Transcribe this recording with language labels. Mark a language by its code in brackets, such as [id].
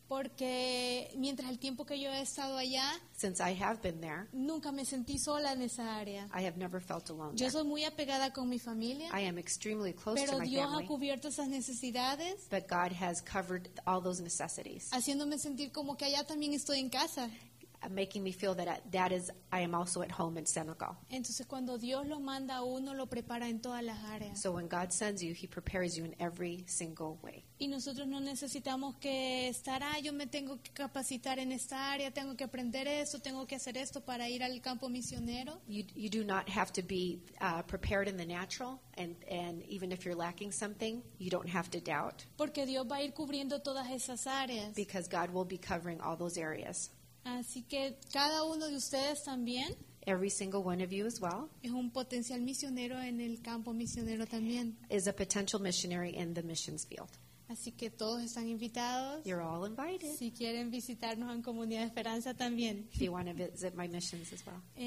[es] Porque mientras el tiempo que yo he estado allá, [en] since I have been there, [es] nunca me sentí sola en esa área. [en] I have never felt alone. [es] Yo soy muy apegada con mi familia. [en] I am extremely close [es] pero [en] to [es] Dios [en] my family, [es] ha cubierto esas necesidades. [en] But God has covered all those necessities. [es] Haciéndome sentir como que allá también estoy en casa. [en] Making me feel that I am also at home in Senegal. [es] Entonces cuando Dios lo manda a uno, lo prepara en todas las áreas. [en] So when God sends you, He prepares you in every single way. [es] Y nosotros no necesitamos que estar, yo me tengo que capacitar en esta área, tengo que aprender esto, tengo que hacer esto para ir al campo misionero. [en] You do not have to be prepared in the natural, and even if you're lacking something, you don't have to doubt. [es] Porque Dios va a ir cubriendo todas esas áreas. [en] Because God will be covering all those areas. [es] Así que cada uno de ustedes también. [en] Every single one of you as well. [es] Es un potencial misionero en el campo misionero también. [en] Is a potential missionary in the missions field. [es] Así que todos están invitados. [en] You're all invited. [es] Si quieren visitarnos en Comunidad de Esperanza también. [en] If you want to visit my missions as well.